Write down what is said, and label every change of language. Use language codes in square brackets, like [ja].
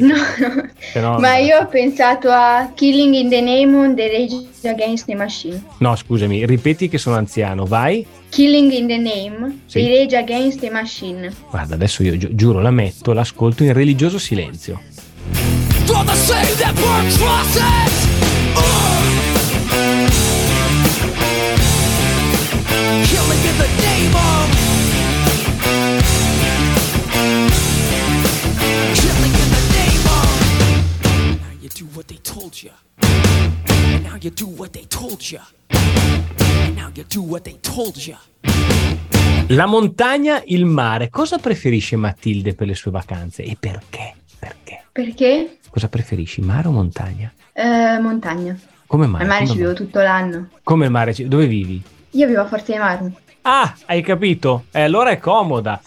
[it] No, che... no. Ma no. Io ho pensato a Killing in the Name of the Rage Against the Machine. No, scusami, ripeti che sono anziano, vai. Killing in the Name, sì. The Rage Against the Machine. Guarda, adesso io giuro, la metto, l'ascolto in religioso silenzio. [en] For the same that burn crosses. Killing in the name of. Killing in the name of. Now you do what they told you. And now you do what they told you. And now you do what they told you. [it] La montagna, il mare. Cosa preferisce Matilde per le sue vacanze e perché? Perché? Perché? Cosa preferisci, mare o montagna? Montagna. Come mare? Al mare. Come ci vivo tutto l'anno. Come il mare? Dove vivi? Io vivo a Forte dei Marmi. Ah, hai capito? Allora è comoda.